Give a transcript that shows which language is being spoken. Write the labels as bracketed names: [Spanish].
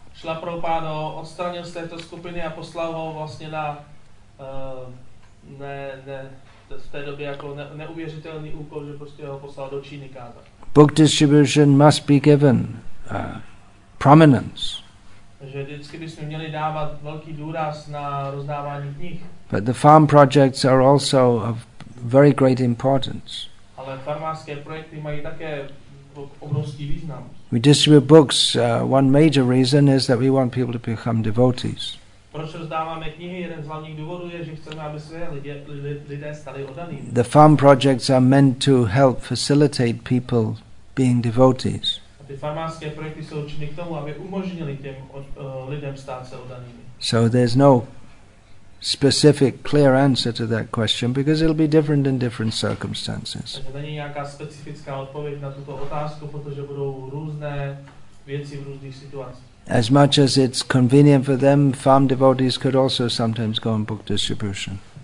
[Czech] Srila Prabhupada odstranil z této skupiny a poslal ho vlastně na v té době jako neuvěřitelný úkol, že prostě ho poslal do Číny kázat. [English] Book distribution must be given prominence. [Czech] Vždycky bychom měli dávat velký důraz na rozdávání knih. [English] But the farm projects are also of very great importance. [Czech] Ale farmářské projekty mají také obrovský význam. [English] We distribute books, one major reason is that we want people to become devotees. [Czech] Proč rozdáváme knihy? Jeden z hlavních důvodů je, že chceme, aby se lidé stali oddanými. [English] The farm projects are meant to help facilitate people being devotees. [Czech] A ty farmářské projekty jsou určeny k tomu, aby umožnili těm lidem stát se oddanými. [English] So there's no specific clear answer to that question because it'll be different in different circumstances. [Czech] Takže není nějaká specifická odpověď na tuto otázku, protože budou různé věci v různých situacích. [English] As much as it's convenient for them, farm devotees could also sometimes go on book distribution.